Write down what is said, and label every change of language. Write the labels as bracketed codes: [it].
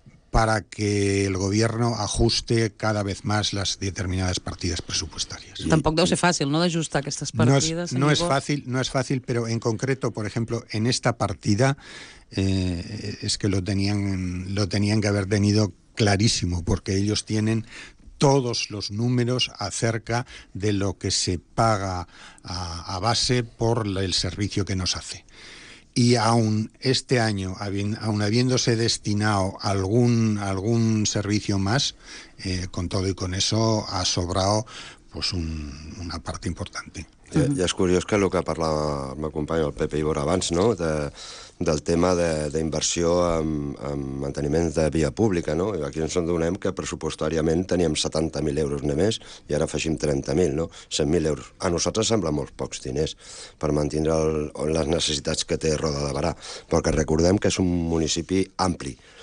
[es] para que el gobierno ajuste cada vez más las determinadas partidas presupuestarias. [ca] Tampoc deu ser fàcil, no, d'ajustar aquestes partides. No és fàcil, però [es] en concreto, [ca] per exemple, [es] en esta partida es que lo tenían que haber tenido clarísimo, porque ellos tienen todos los números acerca de lo que se paga a base por el servicio que nos hace. Y aún este año, aún habiéndose destinado algún servicio más, con todo y con eso ha sobrado pues una parte importante. [ca] I és curiós que el que parlava el meu company, el Pepe Ibor, abans, no? del tema d'inversió en manteniment de via pública. No? I aquí ens adonem que pressupostàriament teníem 70.000 euros només i ara afegim 30.000, no? 100.000 euros. A nosaltres sembla molt pocs diners per mantenir les necessitats que té Roda de Barà, perquè recordem que és un municipi ampli.